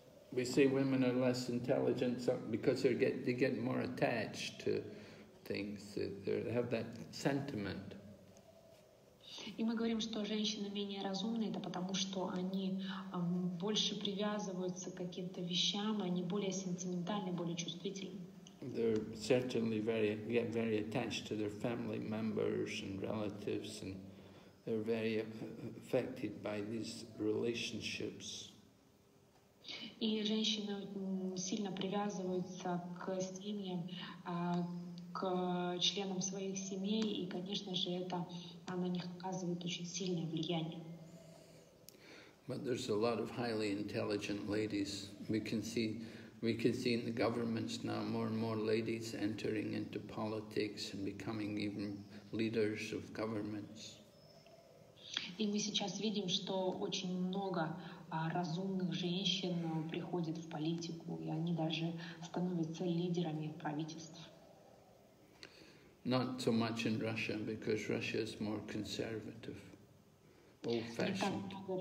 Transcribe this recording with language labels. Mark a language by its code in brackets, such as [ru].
[en] We say women are less intelligent because they get more attached to things. They have that sentiment. [ru] И мы говорим, что женщины менее разумные, это потому, что они больше привязываются к каким-то вещам, они более сентиментальны, более чувствительны. [en] They're certainly get very attached to their family members and relatives, and they're very affected by these relationships. [ru] И женщины сильно привязываются к семьям, к членам своих семей, и, конечно же, это на них оказывает очень сильное влияние. [en] But there's a lot of highly intelligent ladies. We can see in the governments now more and more ladies entering into politics and becoming even leaders of governments. [ru] И мы сейчас видим, что очень много разумных женщин приходит в политику, и они даже становятся лидерами правительств. [en] Not so much in Russia, because Russia is more conservative, old-fashioned.